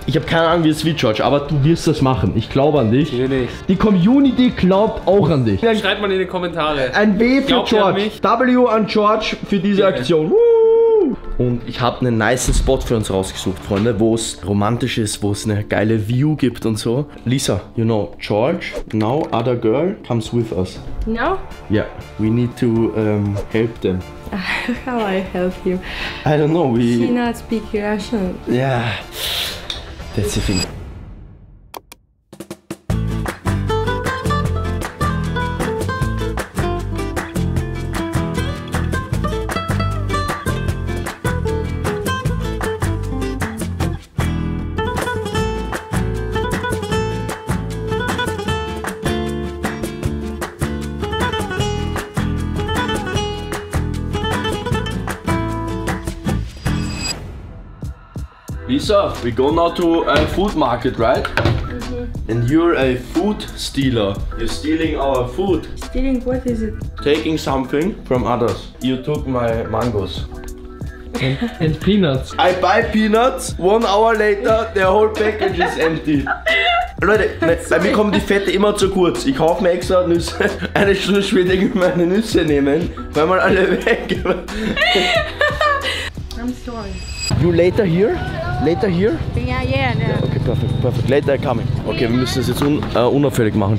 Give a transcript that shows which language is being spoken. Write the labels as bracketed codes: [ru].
[de] Ich habe keine Ahnung, wie es wird, George, aber du wirst das machen. Ich glaube an dich. Natürlich. Die Community glaubt auch an dich. Schreibt mal in die Kommentare. Ein W für George. W an George für diese Aktion. Und ich habe einen nice Spot für uns rausgesucht, Freunde, wo es romantisch ist, wo es eine geile View gibt und so. [en] Lisa, you know, George, now other girl comes with us. No? Yeah, we need to help them. How I help you? I don't know, we... She not speak Russian. Yeah, that's the thing. Lisa, we go now to a food market, right? Mm-hmm. And you're a food stealer. You're stealing our food. Stealing what is it? Taking something from others. You took my mangoes. And peanuts. I buy peanuts, 1 hour later, the whole package is empty. [de] Leute, bei mir kommen die Fette immer zu kurz. Ich kaufe mir extra Nüsse. Eine Stunde später kann ich meine Nüsse nehmen, weil man alle weg. [en] I'm sorry. You later here? Later here? Yeah. [de] Okay, perfekt. [en] Later coming. [de] Okay, wir müssen das jetzt unauffällig machen.